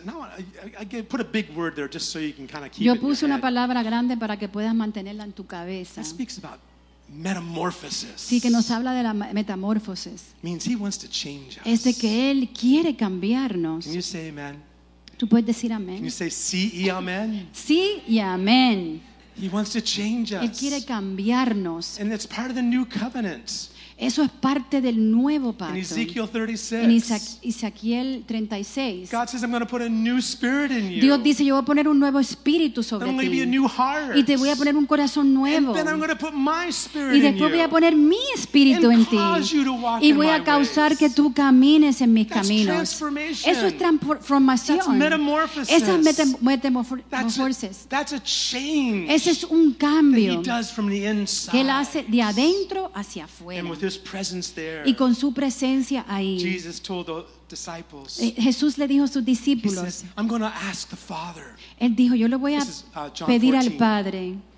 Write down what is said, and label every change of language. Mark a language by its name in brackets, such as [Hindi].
[English] Now I put a big word there just so you can kind of keep [Spanish] yo [English] it. [Spanish] Yo puse [English] in [Spanish] una palabra grande para que puedas mantenerla en tu cabeza. [English] It speaks about metamorphosis. [Spanish] Sí, que nos habla de la metamorfosis. [English] Means he wants to change us. [Spanish] Es de que él quiere cambiarnos. [English] Can you say amen? [Spanish] Tú puedes decir amén. [English] Can you say [Spanish] sí y amén? Sí y amén. [English] He wants to change us. [Spanish] Él quiere cambiarnos. [English] And it's part of the new covenant. [Spanish] Eso es parte del nuevo pacto. [English] In Ezekiel 36. [Spanish] En Ezequiel 36. [English] God says I'm going to put a new spirit in you. [Spanish] Dios dice, yo voy a poner un nuevo espíritu sobre ti. [English] Give you a new heart. [Spanish] Y te voy a poner un corazón nuevo. [English] And then I'm going to put my spirit [Spanish] y después [English] in [Spanish] voy [English] you [Spanish] a poner mi espíritu [English] and [Spanish] en [English] cause [Spanish] ti. [English] You to walk [Spanish] y voy [English] in [Spanish] a [English] my [Spanish] causar [English] ways [Spanish] que tú camines en mis [English] that's [Spanish] caminos. [English] Transformation. [Spanish] Eso es transformación. [English] That's metamorphosis. [Spanish] Esa es metamorfosis. [English] That's a change. [Spanish] Ese es un cambio [English] that he does from the inside. [Spanish] Que él hace de adentro hacia afuera. [English] With his presence there. [Spanish] Y con su presencia ahí. [English] Jesus told the disciples. [Spanish] Jesús le dijo a sus discípulos. [English] He says, I'm going to ask the Father. [Spanish] Él dijo, yo le voy a pedir al Padre.